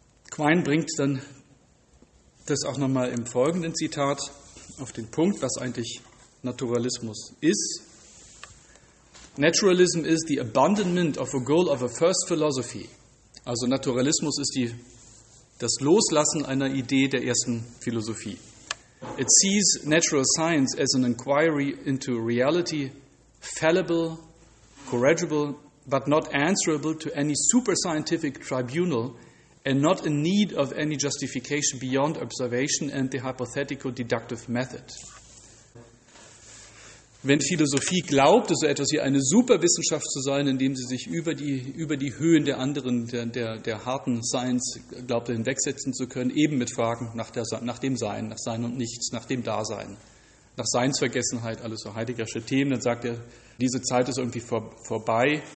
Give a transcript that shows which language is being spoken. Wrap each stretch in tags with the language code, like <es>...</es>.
<de>Quine bringt dann das auch nochmal im folgenden Zitat auf den Punkt, was eigentlich Naturalismus ist.</de> <en>Naturalism is the abandonment of a goal of a first philosophy.</en> <de>Also Naturalismus ist das Loslassen einer Idee der ersten Philosophie.</de> <en>It sees natural science as an inquiry into reality, fallible, corrigible, but not answerable to any super scientific tribunal and not in need of any justification beyond observation and the hypothetical deductive method.</en> <de>Wenn Philosophie glaubte, so etwas wie eine Superwissenschaft zu sein, indem sie sich über die Höhen der anderen, der harten Science glaubte, hinwegsetzen zu können, eben mit Fragen nach dem Sein, nach Sein und Nichts, nach dem Dasein, nach Seinsvergessenheit, alles so heideggersche Themen, dann sagt er, diese Zeit ist irgendwie vorbei.</de>